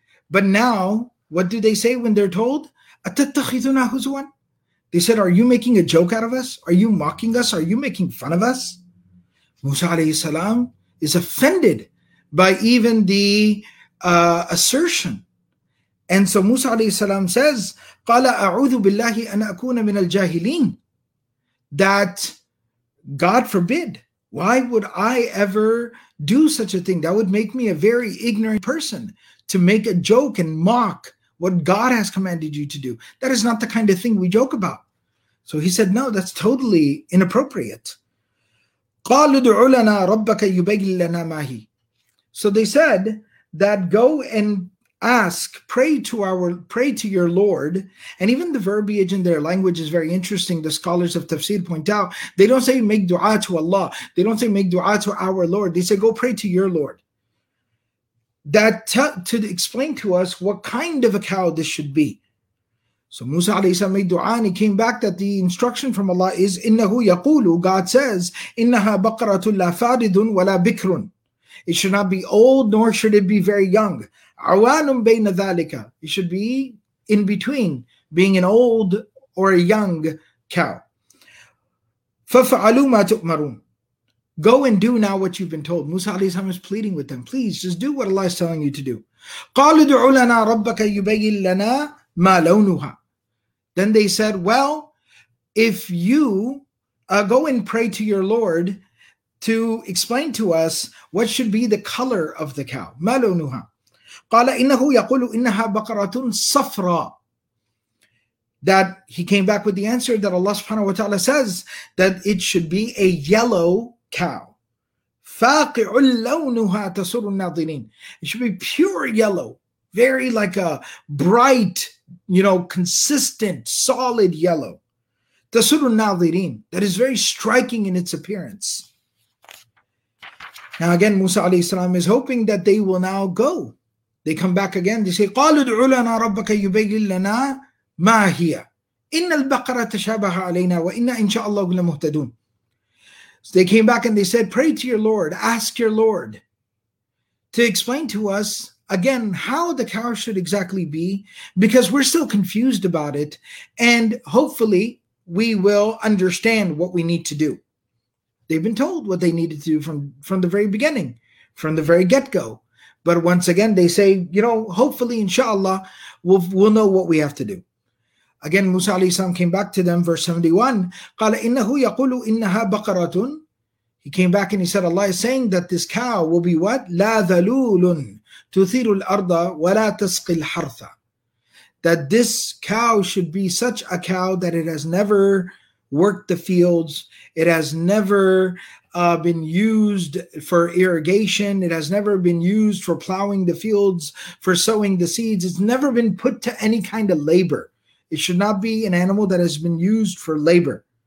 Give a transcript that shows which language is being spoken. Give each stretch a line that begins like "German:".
English: But now, what do they say when they're told?
Arabic: أَتَتَّخِذُنَا هُزُوًا.
English: They said, are you making a joke out of us? Are you mocking us? Are you making fun of us? Musa alayhi salam is offended by even the assertion. And so Musa alayhi salam says,
Arabic: قَالَ أَعُوذُ بِاللَّهِ أَنْ أَكُونَ مِنَ الْجَاهِلِينَ.
English: That God forbid, why would I ever do such a thing? That would make me a very ignorant person to make a joke and mock what God has commanded you to do. That is not the kind of thing we joke about. So he said, no, that's totally inappropriate.
Arabic: قَالُ دُعُ لَنَا رَبَّكَ يُبَيِّن لَنَا مَا هِيَ.
English: So they said that go and ask, pray to your Lord. And even the verbiage in their language is very interesting. The scholars of Tafsir point out, they don't say make dua to Allah. They don't say make dua to our Lord. They say go pray to your Lord. That to explain to us what kind of a cow this should be. So Musa alayhi salam made dua and he came back that the instruction from Allah is,
Arabic: إِنَّهُ يَقُولُ.
English: God says,
Arabic: إِنَّهَا بَقَرَةٌ لَا فَارِدٌ وَلَا بِكْرٌ.
English: It should not be old, nor should it be very young.
Arabic: عَوَانٌ بَيْنَ ذَلِكَ.
English: It should be in between being an old or a young cow.
Arabic: فَفَعَلُوا مَا تُؤْمَرُونَ.
English: Go and do now what you've been told. Musa alayhi salam is pleading with them. Please, just do what Allah is telling you to do.
Arabic: قال ادع لنا ربك يبين لنا ما لونها.
English: Then they said, well, if you go and pray to your Lord to explain to us what should be the color of the cow,
Arabic: ما لونها. قال انه يقول انها بقرة صفراء.
English: That he came back with the answer that Allah subhanahu wa ta'ala says that it should be a yellow cow.
Arabic: فاقع لونها تسر الناظرين.
English: It should be pure yellow, very like a bright, you know, consistent, solid yellow.
Arabic: تسر الناظرين.
English: That is very striking in its appearance. Now again, Musa alayhi salam is hoping that they will now go. They come back again. They say,
Arabic: قال ادع لنا ربك يبين لنا ما هي إن البقرة تشابه علينا وإن إن شاء الله لمهتدون.
English: So they came back and they said, pray to your Lord, ask your Lord to explain to us again how the cow should exactly be, because we're still confused about it and hopefully we will understand what we need to do. They've been told what they needed to do from the very beginning, from the very get-go. But once again, they say, you know, hopefully, inshallah, we'll know what we have to do. Again, Musa alayhi salam came back to them, verse 71.
Arabic: قال إنه يقول إنها بقرة.
English: He came back and he said, Allah is saying that this cow will be what?
Arabic: لا ذلول تثير الأرض ولا تسقي الحرث.
English: That this cow should be such a cow that it has never worked the fields. It has never been used for irrigation. It has never been used for plowing the fields, for sowing the seeds. It's never been put to any kind of labor. It should not be an animal that has been used for labor.